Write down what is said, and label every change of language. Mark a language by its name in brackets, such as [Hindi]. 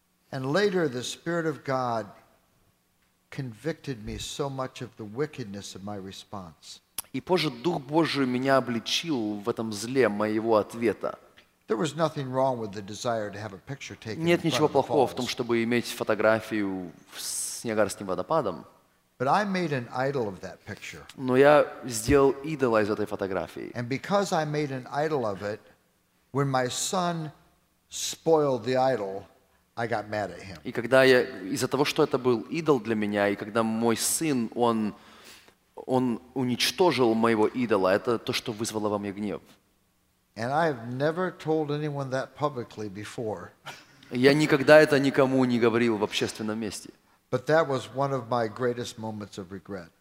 [English] And later the Spirit of God convicted me so much of the wickedness of my response. [Russian] И позже Дух Божий меня обличил в этом зле моего ответа. [English] There was nothing wrong with the desire to have a picture taken. [Russian] Нет ничего плохого в том, чтобы иметь фотографию с Ниагарским водопадом. [English] But I made an idol of that picture. [Russian] Но я сделал идола из этой фотографии. [English] And because I made an idol of it, when my son spoiled the idol, I got mad at him. [Russian] И когда я из-за того, что это был идол для меня, и когда мой сын, он уничтожил моего идола, это то, что вызвало во мне гнев. [English] And I have never told anyone that publicly before. [Russian] Я никогда это никому не говорил в общественном месте. [English] But that was one of my greatest moments of regret.